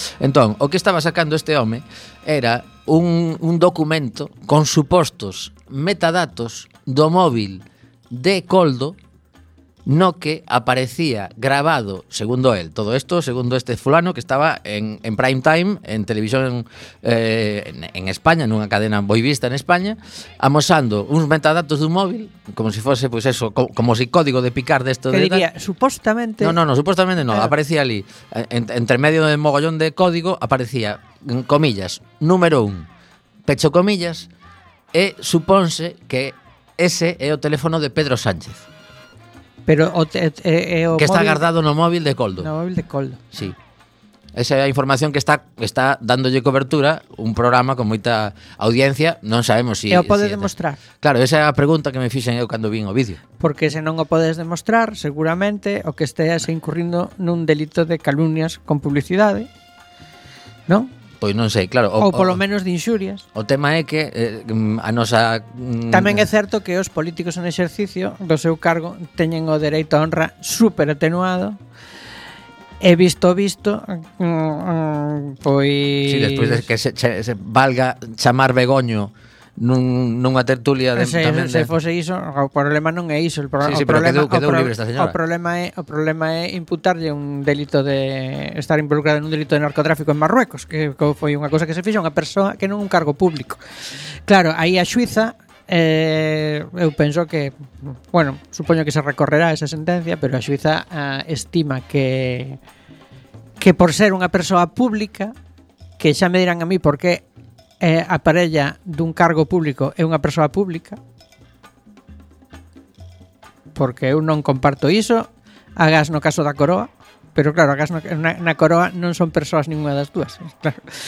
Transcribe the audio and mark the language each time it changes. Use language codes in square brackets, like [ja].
[es] Entonces, lo que estaba sacando este hombre era un documento con supuestos metadatos [gl] do móvil de Koldo, [es] no que aparecía grabado, [gl] segundo él, todo esto, segundo este [es] fulano que estaba en prime time, en televisión en España, en una cadena muy vista en España, [gl] amosando [es] unos metadatos de un móvil, como si fuese, pues eso, como si código de picar de esto. ¿Qué de diría? Tal. Supuestamente... No, supuestamente no, claro. Aparecía allí, entre medio de mogollón de código, aparecía, en comillas, número un, pecho comillas, y suponse que... [gl] Ese é o teléfono de Pedro Sánchez. Pero o que está guardado no móvil de Koldo. No móvil de Koldo. Sí. Esa é a información que está dándolle cobertura un programa con moita audiencia, non sabemos se si, o pode demostrar. Claro, esa é a pregunta que me fixen eu cando vin o vídeo. Porque se non o podes demostrar, seguramente o que esteas incurrindo nun delito de calumnias con publicidade. ¿Non? Pois non sei, claro. Ou polo menos de inxurias. O tema é que a nosa... Tamén é certo que os políticos en exercicio do seu cargo teñen o dereito a honra super atenuado. E visto, pois... Si, sí, despois de que se valga chamar Begoño nunha tertulia... Se fose iso, o problema non é iso. problema é imputarlle un delito de estar involucrado en un delito de narcotráfico en Marruecos, que foi unha cosa que se fixa unha persoa que non un cargo público. Claro, aí a xuiza, eu penso que... Bueno, supoño que se recorrerá esa sentencia, pero a xuiza estima que por ser unha persoa pública, que xa me dirán a mí por qué a parella dun cargo público é unha persoa pública, porque eu non comparto iso, agás no caso da Coroa, pero claro, agás na Coroa non son persoas ninguna das dúas, claro.